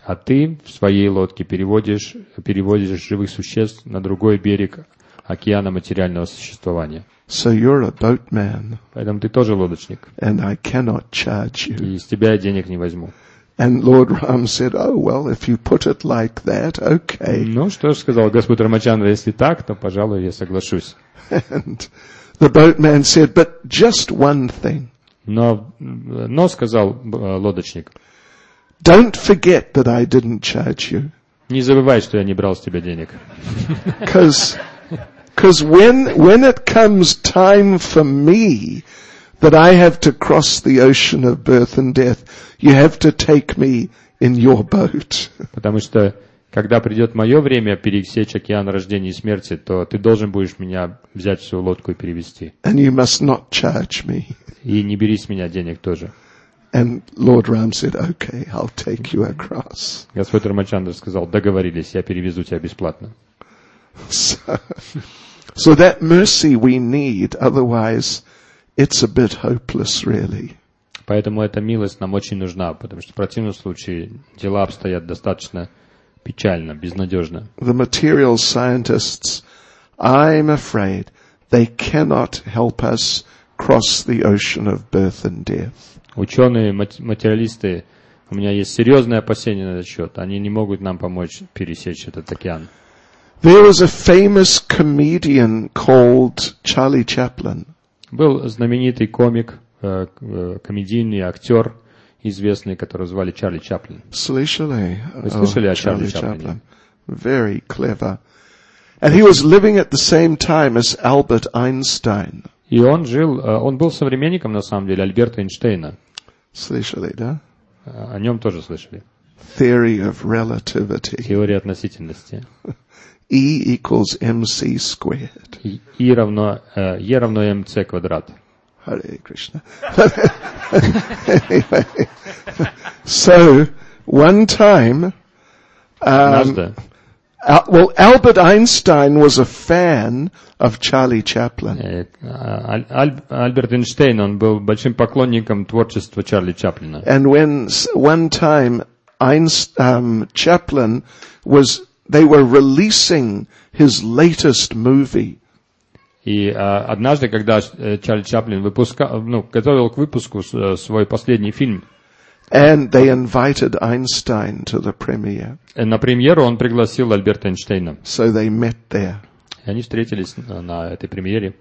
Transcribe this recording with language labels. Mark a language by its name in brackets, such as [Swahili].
[Russian] А ты в своей лодке переводишь живых существ на другой берег океана материального существования. [English] So you're a boatman. [Russian] Поэтому ты тоже лодочник. [English] And I cannot charge you. [Russian] И с тебя я денег не возьму. [English] And Lord Ram said, "Oh well, if you put it like that, okay." [Russian] Ну что ж, сказал господь Рамачандра, если так, то, пожалуй, я соглашусь. [English] And the boatman said, "But just one thing." [Russian] Но сказал лодочник. [English] Don't forget that I didn't charge you. [Russian] Не забывай, что я не брал с тебя денег. [English] Because when it comes time for me that I have to cross the ocean of birth and death, you have to take me in your boat. [Russian] Потому что когда придет мое время пересечь океан рождения и смерти, то ты должен будешь меня взять в свою лодку и перевести. [English] And you must not charge me. [Russian] И не бери с меня денег тоже. [English] And Lord Ram said, "Okay, I'll take you across." [Russian] Господь Рамачандра сказал, договорились, я перевезу тебя бесплатно. [English] So that mercy we need, otherwise it's a bit hopeless, really. [Russian] Поэтому эта милость нам очень нужна, потому что в противном случае дела обстоят достаточно печально, безнадежно. [English] The material scientists, I'm afraid, they cannot help us cross the ocean of birth and death. [Russian] Ученые, материалисты, у меня есть серьезные опасения на этот счет. Они не могут нам помочь пересечь этот океан. [English] There was a famous comedian called Charlie Chaplin. [Russian] Был знаменитый комик, комедийный актер, известный, которого звали Чарли Чаплин. Слышали? Вы слышали о Чарли Чаплине? [English] Very clever. And he was living at the same time as Albert Einstein. [Russian] И он жил, он был современником, на самом деле, Альберта Эйнштейна. Слышали, да? О нем тоже слышали. [English] Theory of relativity. [Russian] Теория относительности. [English] E equals mc squared. [Russian] E равно mc квадрат. [English] Hare Krishna. Anyway, so one time, Albert Einstein was a fan of Charlie Chaplin. [Russian] Альберт Эйнштейн, он был большим поклонником творчества Чарли Чаплина. [English] And when one time Chaplin was they were releasing his latest movie. [Russian] И однажды, когда Чарли Чаплин готовил к выпуску свой последний фильм, [English] and they invited Einstein to the premiere. [Russian] И на премьеру он пригласил Альберта Эйнштейна. [English] So they met there. [Russian] И они встретились на этой премьере.